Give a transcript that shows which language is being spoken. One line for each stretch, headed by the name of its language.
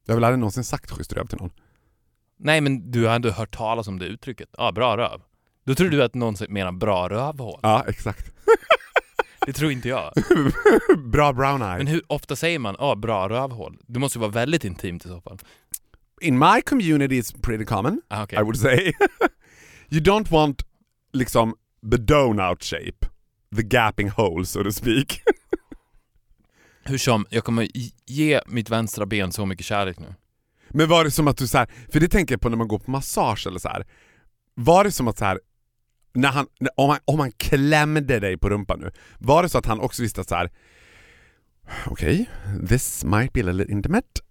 Swedish: Jag har väl aldrig någonsin sagt schysst röv till någon. Nej, men du har ändå hört talas om det uttrycket. Ja, bra röv. Då tror du att någon menar bra rövhål. Ja, exakt. Det tror inte jag.
English: Bra brown eye.
Swedish: Men hur ofta säger man ja, bra rövhål? Det måste ju vara väldigt intimt i så fall.
English: In my community it's pretty common, okay. I would say. You don't want liksom the donut shape, the gaping hole, so to speak.
Swedish: Hur som, jag kommer ge mitt vänstra ben så mycket kärlek nu. Men var det som att du så här, för det tänker jag på när man går på massage eller så här. Var det som att så här, om han klämde dig på rumpan nu, var det så att han också visste att så här, okej, okay,
English: this might be a little intimate.